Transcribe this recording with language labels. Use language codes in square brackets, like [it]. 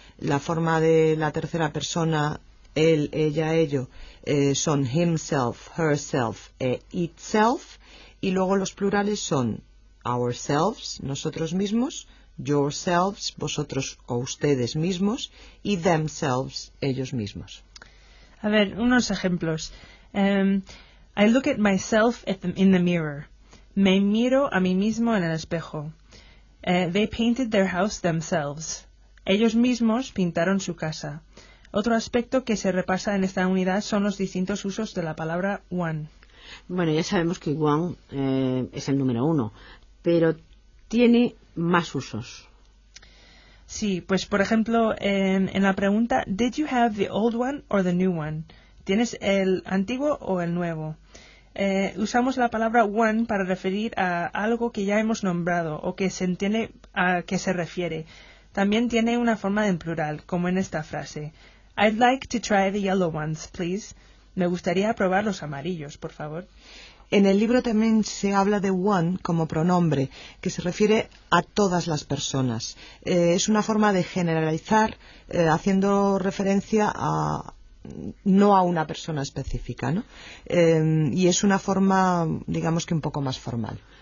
[es] La forma de la tercera persona, él, ella, ello, son himself, herself, itself. Y luego los plurales son ourselves, nosotros mismos, yourselves, vosotros o ustedes mismos, y themselves, ellos mismos. A ver, unos ejemplos. [en] I look at myself in the mirror. [es] Me miro a mí mismo en el espejo. [en] They painted their house themselves. [es] Ellos mismos pintaron su casa. Otro aspecto que se repasa en esta unidad son los distintos usos de la palabra one. Bueno, ya sabemos que one es el número uno, pero tiene más usos. Sí, pues por ejemplo, en la pregunta [en] Did you have the old one or the new one? [es] ¿Tienes el antiguo o el nuevo? Usamos la palabra one para referir a algo que ya hemos nombrado o que se entiende a qué se refiere. También tiene una forma en plural, como en esta frase. [en] I'd like to try the yellow ones, please. [es] Me gustaría probar los amarillos, por favor. En el libro también se habla de one como pronombre, que se refiere a todas las personas. Es una forma de generalizar, haciendo referencia a no a una persona específica, ¿no? Y es una forma, digamos que un poco más formal.